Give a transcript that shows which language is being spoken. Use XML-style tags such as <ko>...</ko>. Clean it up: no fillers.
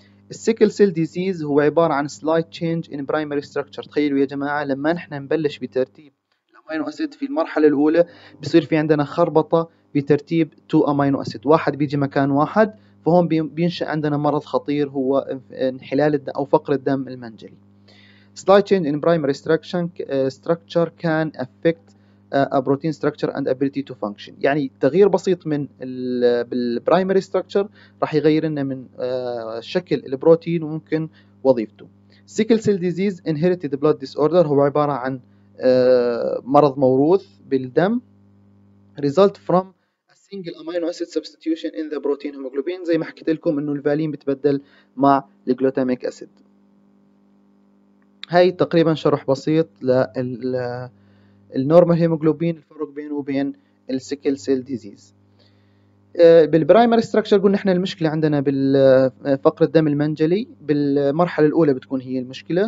<ar>السيكل سيل ديزيز هو عباره عن سلايت تشينج ان برايمري ستراكشر. تخيلوا يا جماعه، لما نحن نبلش بترتيب أمينو أسيد في المرحلة الأولى بيصير في عندنا خربطة بترتيب 2 أمينو أسيد، واحد بيجي مكان واحد، فهون بينشأ عندنا مرض خطير هو انحلال الدم أو فقر الدم المنجلي.</ar> <en>Slight change in primary structure can affect a protein structure and ability to function.</en> <ar>يعني تغيير بسيط من البرايمري ستراكشر راح يغير لنا من شكل البروتين وممكن وظيفته.</ar> <en>Sickle cell disease inherited blood disorder</en> <ar>هو عبارة عن مرض موروث بالدم.</ar> <en>Result from a single amino acid substitution in the protein hemoglobin.</en> <ar>زي ما حكيت لكم انه الفالين بتبدل مع الجلوتاميك اسيد. هاي تقريبا شرح بسيط للنورمال هيموجلوبين، الفرق بينه وبين السيكل سيل ديزيز. بالبرايمري ستراكشر قلنا احنا المشكله عندنا بالفقر الدم المنجلي، بالمرحله الاولى بتكون هي المشكله.</ar>